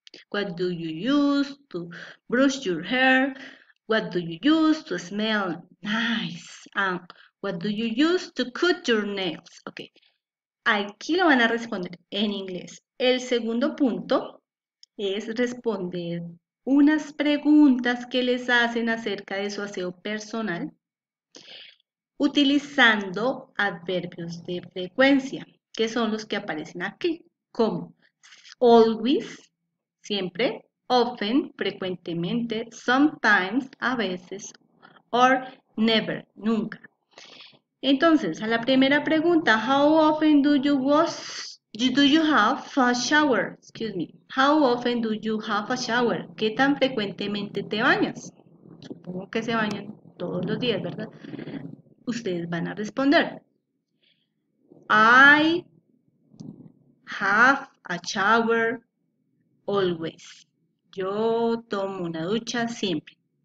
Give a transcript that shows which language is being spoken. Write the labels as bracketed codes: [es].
[en] What do you use to brush your hair? What do you use to smell nice? What do you use to cut your nails? [es] Ok. Aquí lo van a responder en inglés. El segundo punto es responder unas preguntas que les hacen acerca de su aseo personal utilizando adverbios de frecuencia, que son los que aparecen aquí, como always, siempre, often, frecuentemente, sometimes, a veces, or never, nunca. Entonces, a la primera pregunta, [en] how often do you wash, do you have a shower? Excuse me. How often do you have a shower? [es] ¿Qué tan frecuentemente te bañas? Supongo que se bañan todos los días, ¿verdad? Ustedes van a responder. [en] I have a shower always. [es] Yo tomo una ducha siempre.